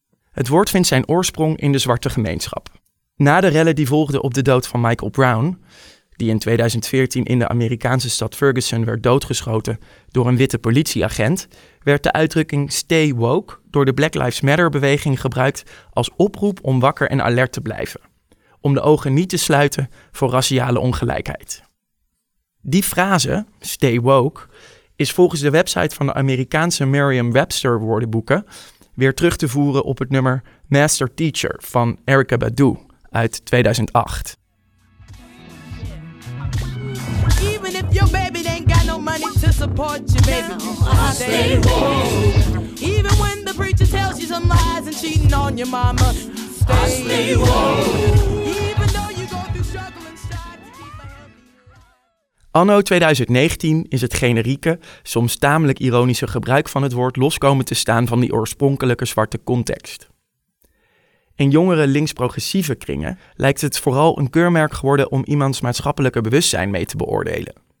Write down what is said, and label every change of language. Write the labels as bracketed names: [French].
[Dutch] Het woord vindt zijn oorsprong in de zwarte gemeenschap. Na de rellen die volgden op de dood van Michael Brown, die in 2014 in de Amerikaanse stad Ferguson werd doodgeschoten door een witte politieagent, werd de uitdrukking Stay Woke door de Black Lives Matter-beweging gebruikt als oproep om wakker en alert te blijven, om de ogen niet te sluiten voor raciale ongelijkheid. Die frase, Stay Woke, is volgens de website van de Amerikaanse Merriam-Webster woordenboeken weer terug te voeren op het nummer Master Teacher van Erykah Badu uit 2008. [English] Even if your baby ain't got no money to support you, baby, you stay woke. Even when the preacher tells you some lies and cheating on your mama, stay woke. Even though you go through struggle and strive to keep a healthy... [Dutch] Anno 2019 is het generieke, soms tamelijk ironische gebruik van het woord loskomen te staan van die oorspronkelijke zwarte context. In jongere links-progressieve kringen lijkt het vooral een keurmerk geworden om iemands maatschappelijke bewustzijn mee te beoordelen.